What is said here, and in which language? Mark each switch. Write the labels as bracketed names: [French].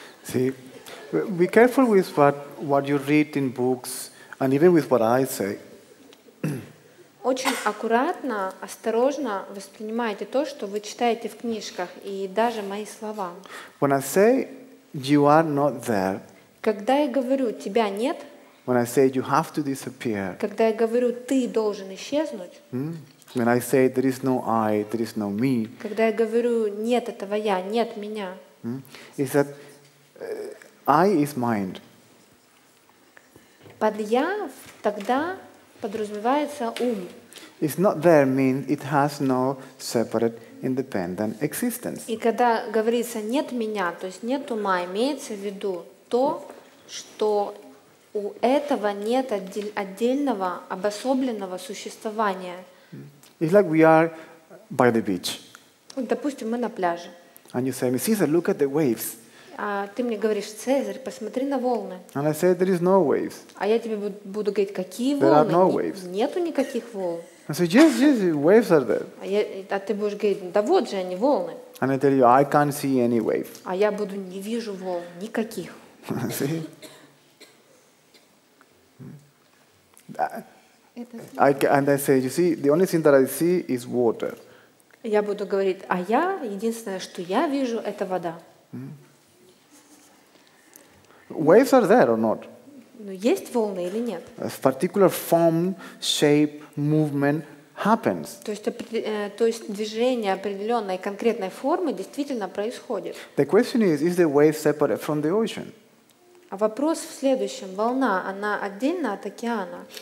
[English] See, be careful with what you read in books, and even with what I say. [Russian] Очень аккуратно, осторожно воспринимайте то, что вы читаете в книжках, и даже мои слова. [English] When I say you are not there, [Russian] когда я говорю тебя нет, [English] when I say you have to disappear, [Russian] когда я говорю ты должен исчезнуть, [English] when I say there is no I, there is no me, [Russian] когда я говорю нет этого я, нет меня, [English] is that I is mind. [Russian] Под я тогда подразумевается ум. [English] It's not there means it has no separate independent existence. [Russian] И когда говорится нет меня, то есть нет ума, имеется в виду то, что у этого нет отдельного обособленного существования. [English] It's like we are by the beach. [Russian] Допустим, мы на пляже. [English] And you say, Caesar, look at the waves. [Russian] А ты мне говоришь, Цезарь, посмотри на волны. [English] And I say, there is no waves. [Russian] А я тебе буду говорить, какие [English] there [Russian] волны? [English] Are no waves. [Russian] Нету никаких волн. [English] I say, yes, yes, waves are there. [Russian] А ты будешь говорить, да вот же они, волны. [English] And I tell you, I can't see any wave. [Russian] А я буду, не вижу волн никаких. [English] See? And I say, you see, the only thing that I see is water. [Russian] Я буду говорить, а я, единственное, что я вижу, это вода. [English] Waves are there or not? [Russian] Но есть волны или нет? [English] A particular form, shape, movement happens. [Russian] То есть движение определенной конкретной формы действительно происходит. [English] The question is the wave separate from the ocean? [Russian] А вопрос в следующем: волна, она отдельно от океана?